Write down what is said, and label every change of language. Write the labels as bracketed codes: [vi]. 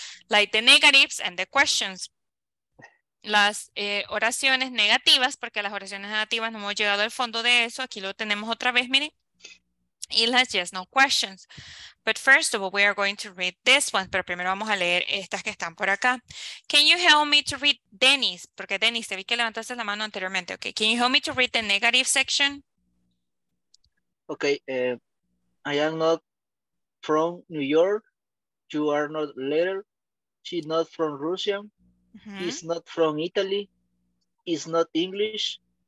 [en] Like the negatives and the questions. [es] Las oraciones negativas, porque las oraciones negativas no hemos llegado al fondo de eso. Aquí lo tenemos otra vez, miren. Y las [en] yes, no questions. But first of all, we are going to read this one. [es] Pero primero vamos a leer estas que están por acá. [en] Can you help me to read [es] Dennis? Porque Dennis, te vi que levantaste la mano anteriormente. Okay. [en] Can you help me to read the negative section? Okay. I am not from New York. You are not letter. She's not from Russia. Mm-hmm. He's not from Italy. He's not English.